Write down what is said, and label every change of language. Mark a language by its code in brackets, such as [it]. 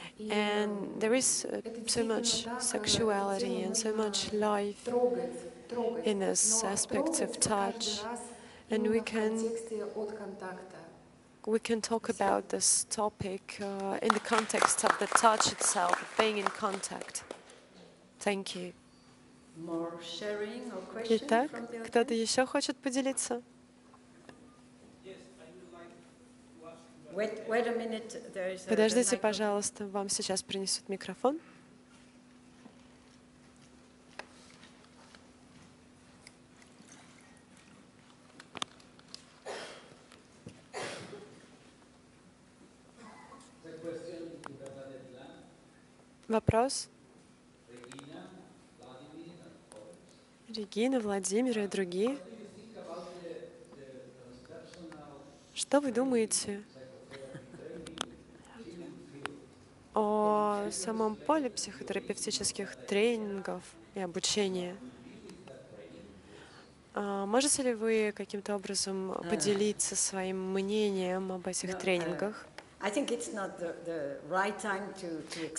[en] And there is so much sexuality and so much life in this aspect of touch, and we can talk about this topic in the context of the touch itself, being in contact. Thank you. More sharing or questions? [ru] Итак, кто-то еще хочет поделиться? [en] Wait a minute. There is a [ru] подождите, пожалуйста, вам сейчас принесут микрофон. Вопрос? Регина, Владимир и другие. Что вы думаете о самом поле психотерапевтических тренингов и обучения? Можете ли вы каким-то образом поделиться своим мнением об этих тренингах? [en] I think it's not the right time to explain.